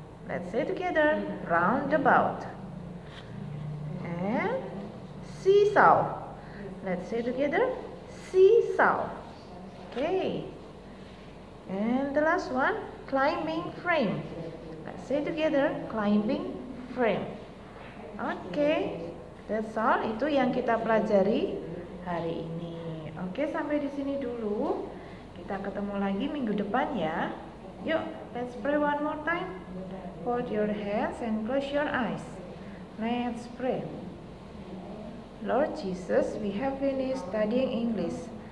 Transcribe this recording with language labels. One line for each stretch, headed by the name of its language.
English: Let's say together, roundabout. And seesaw. Let's say together, seesaw. Okay. And the last one, climbing frame. Let's say together, climbing frame. Okay. That's all.
Indonesian: Itu yang kita pelajari hari ini. Okay, sampai di sini dulu. Kita ketemu lagi minggu depan ya.
English: Yuk, let's pray one more time. Hold your hands and close your eyes. Let's pray. Lord Jesus, we have finished studying English.